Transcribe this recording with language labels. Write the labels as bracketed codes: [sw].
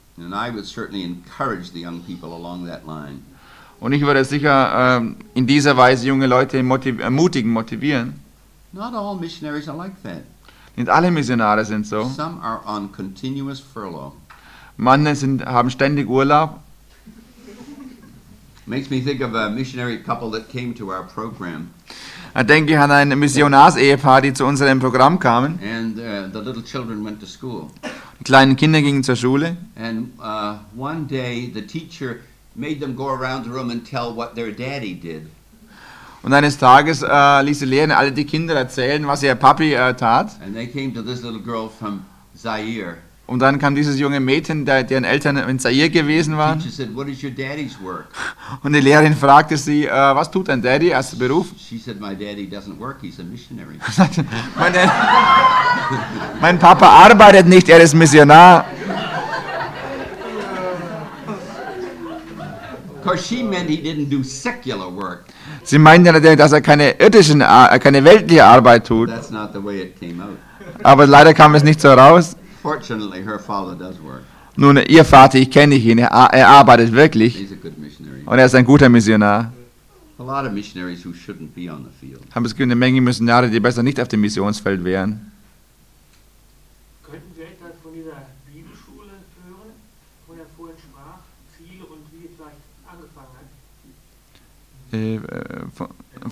[en] And I would certainly encourage the young people along that line. [de] Und ich würde sicher in dieser Weise junge Leute motivieren. [en] Not all missionaries are like that. [de] Nicht alle Missionare sind so. [en] Some are on continuous furlough. [de] Manche haben ständig Urlaub. [en] Makes me think of a missionary couple that came to our program. [de] Da denke ich an ein Missionars-Ehepaar, die zu unserem Programm kamen. [en] And the little children went to school. [de] Die kleinen Kinder gingen zur Schule. [en] And one day the teacher made them go around the room and tell what their daddy did. [de] Und eines Tages ließ die Lehrerin alle die Kinder erzählen, was ihr Papi tat. [en] And they came to this little girl from Zaire. [de] Und dann kam dieses junge Mädchen, deren Eltern in Zaire gewesen waren. [en] She said, what is your daddy's work? [de] Und die Lehrerin fragte sie, was tut dein Daddy als Beruf? [en] She said, my daddy doesn't work, he's a missionary. [de] mein Papa arbeitet nicht, er ist Missionar. [en] Because she meant he didn't do secular work. [de] Sie meinte natürlich, dass er keine irdische, keine weltliche Arbeit tut. [en] That's not the way it came out. [de] Aber leider kam es nicht so raus. [en] Fortunately, her father does work. [de] Nun, ihr Vater, ich kenne ihn, er arbeitet wirklich. [en] He's a good missionary. [de] Und er ist ein guter Missionar. [en] A lot of missionaries who shouldn't be on the field. [de] Haben es gibt eine Menge Missionare, die besser nicht auf dem Missionsfeld wären. Könnten wir etwas von dieser Bibelschule hören, wo er vorhin sprach, Ziel und wie es vielleicht angefangen hat?